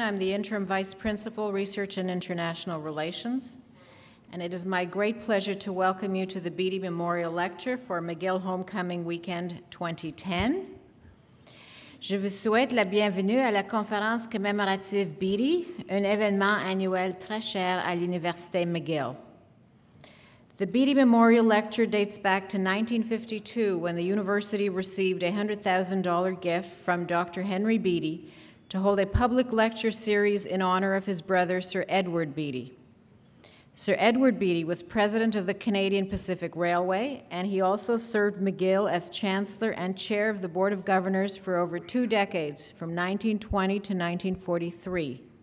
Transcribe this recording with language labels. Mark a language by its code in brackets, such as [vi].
[en] I'm the Interim Vice Principal, Research and International Relations. And it is my great pleasure to welcome you to the Beatty Memorial Lecture for McGill Homecoming Weekend 2010. [fr] Je vous souhaite la bienvenue à la conférence commémorative Beatty, un événement annuel très cher à l'Université McGill. [en] The Beatty Memorial Lecture dates back to 1952, when the university received a $100,000 gift from Dr. Henry Beatty to hold a public lecture series in honor of his brother, Sir Edward Beatty. Sir Edward Beatty was president of the Canadian Pacific Railway, and he also served McGill as chancellor and chair of the Board of Governors for over two decades, from 1920 to 1943.